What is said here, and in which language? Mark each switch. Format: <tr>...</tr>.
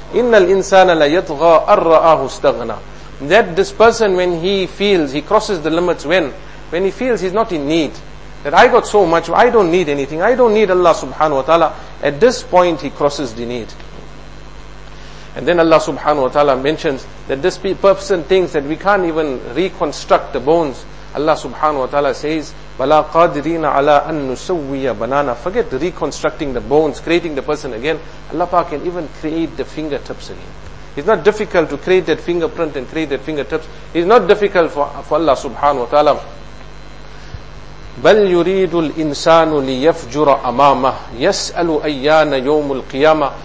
<ar>Innal insana la yatgha arra'ahu staghna.</ar> <en>That this person, when he feels, he crosses the limits when he feels he's not in need. That I got so much, I don't need anything, I don't need Allah subhanahu wa ta'ala. At this point he crosses the need. And then Allah subhanahu wa ta'ala mentions that this person thinks that we can't even reconstruct the bones.</en> <ar>Allah subhanahu wa ta'ala says, بَلَا قَادِرِينَ عَلَىٰ أَن نُسَوِّيَ بَنَانَا.</ar> <en>Forget reconstructing the bones, creating the person again. Allah Pa can even create the fingertips again. It's not difficult to create that fingerprint and create that fingertips. It's not difficult for Allah subhanahu wa ta'ala.</en> <ar>بَلْ يُرِيدُ الْإِنسَانُ لِيَفْجُرَ أَمَامَهُ يَسْأَلُ أَيَّانَ يَوْمُ الْقِيَامَةِ.</ar>